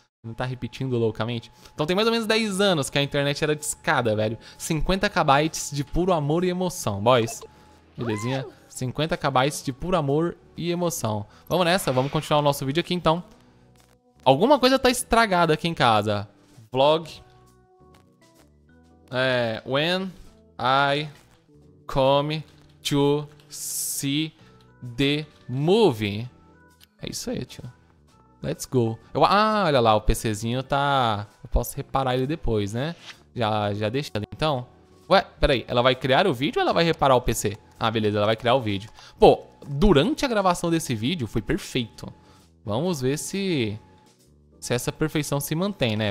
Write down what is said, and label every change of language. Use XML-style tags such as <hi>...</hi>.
<pt>Não tá repetindo loucamente? Então tem mais ou menos 10 anos que a internet era discada, velho. 50 kbytes de puro amor e emoção, boys. Belezinha? 50 kbytes de puro amor e emoção. Vamos nessa, vamos continuar o nosso vídeo aqui, então. Alguma coisa tá estragada aqui em casa. Vlog.</pt> <en>É, when I come to see the movie.</en> <pt>É isso aí, tio.</pt> <en>Let's go.</en> <pt>Olha lá, o PCzinho tá... Eu posso reparar ele depois, né? Já deixa ele, então. Ué, peraí. Ela vai criar o vídeo ou ela vai reparar o PC? Ah, beleza. Ela vai criar o vídeo. Pô, durante a gravação desse vídeo, foi perfeito. Vamos ver se essa perfeição se mantém, né?</pt>